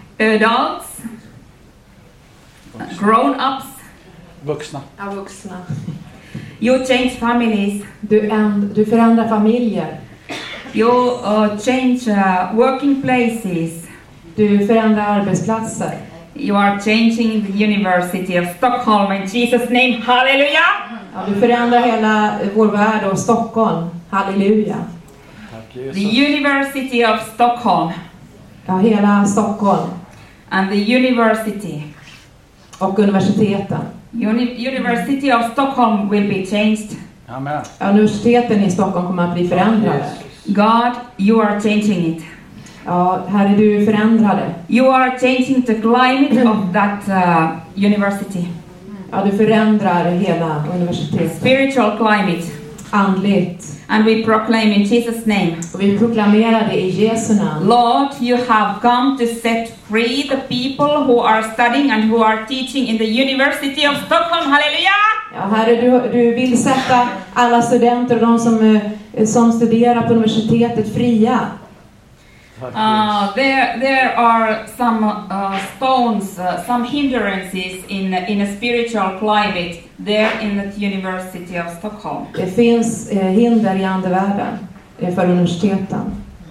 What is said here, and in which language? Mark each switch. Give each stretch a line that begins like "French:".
English: adults, grown ups,
Swedish: vuxna. Ja, vuxna.
English: You change families.
Swedish: Du förändrar familjer.
English: You change working places.
Swedish: Du förändrar arbetsplatser.
English: You are changing the University of Stockholm in Jesus name. Halleluja.
Swedish: Ja, du förändrar hela vår värld och Stockholm. Halleluja.
English: The University of Stockholm.
Swedish: Ja, hela Stockholm.
English: And the university.
Swedish: Och universiteten.
English: University of Stockholm will be changed. Amen.
Swedish: Universiteten i Stockholm kommer att bli förändrade.
English: God, you are changing it.
Swedish: Ja, Herre, du förändrar det.
English: You are changing the climate of that university.
Swedish: Ja, du förändrar hela universitetet.
English: Spiritual climate.
Swedish: Andligt.
English: And we proclaim in Jesus' name.
Swedish: Och vi proklamerar det i Jesu namn.
English: Lord, you have come to set free the people who are studying and who are teaching in the University of Stockholm. Halleluja!
Swedish: Ja, Herre, du vill sätta alla studenter och de som studerar på universitetet fria.
English: There are some stones, some hindrances in a spiritual climate there in the University of Stockholm.
Swedish: Det finns hinder i andevärlden för universiteten.